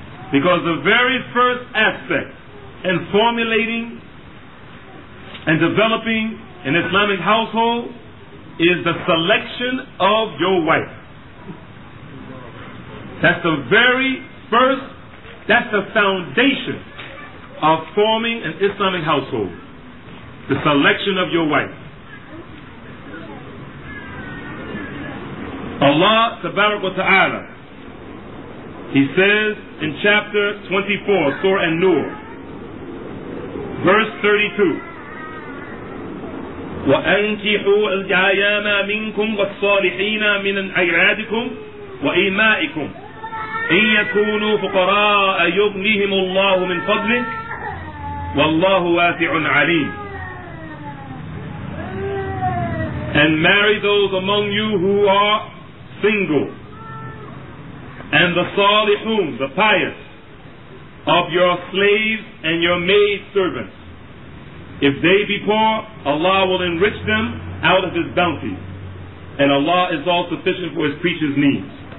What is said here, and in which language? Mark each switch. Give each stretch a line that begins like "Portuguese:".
English: Because the very first aspect in formulating and developing an Islamic household is the selection of your wife. That's the very first, that's the foundation of forming an Islamic household, the selection of your wife. Allah tabaraka wa ta'ala, he says in chapter 24, Surah An-Nur, verse 32,
Arabic: وَأَنْكِحُوا الْأَيَّامَ مِنْكُمْ وَالصَّالِحِينَ مِنْ أَيْرَادِكُمْ وَإِمَائِكُمْ إِنْ يَكُونُوا فُقَرَاءَ يُغْنِهِمُ اللَّهُ مِنْ فَضْلِهِ وَاللَّهُ وَاسِعٌ عَلِيمٌ.
English: And marry those among you who are single, and the salihun, the pious, of your slaves and your maid servants. If they be poor, Allah will enrich them out of His bounty, and Allah is all sufficient for His creatures' needs.